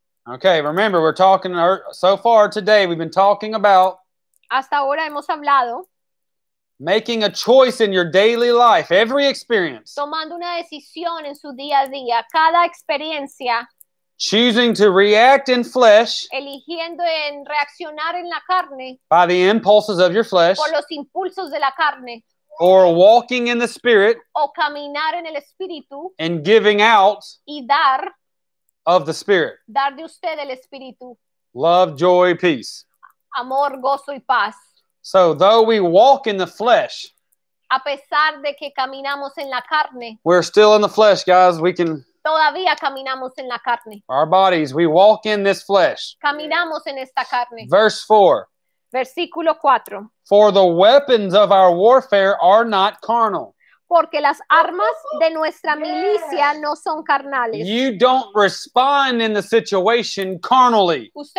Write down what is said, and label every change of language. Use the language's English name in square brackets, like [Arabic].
[English] Okay, remember, we're talking, so far today, we've been talking about [Spanish] hasta ahora hemos hablado [English] making a choice in your daily life, every experience. [Spanish] Tomando una decisión en su día a día, cada experiencia. [English] Choosing to react in flesh, [Spanish] eligiendo en reaccionar en la carne, [English] by the impulses of your flesh, [Spanish] por los impulsos de la carne, [English] or walking in the spirit, [Spanish] o caminar en el espíritu, [English] and giving out, [Spanish] y dar, [English] of the spirit, [Spanish] dar de usted el espíritu, [English] love, joy, peace, [Spanish] amor, gozo y paz. [English] So though we walk in the flesh, [Spanish] a pesar de que caminamos en la carne, [English] we're still in the flesh, guys. We can. [Spanish] Todavía caminamos en la carne. [English] Our bodies, we walk in this flesh. [Spanish] Caminamos en esta carne. [English] Verse 4. [Spanish] Versículo 4. [English] For the weapons of our warfare are not carnal. [Spanish] Porque las armas de nuestra milicia no son carnales. [English] You don't respond in the situation carnally.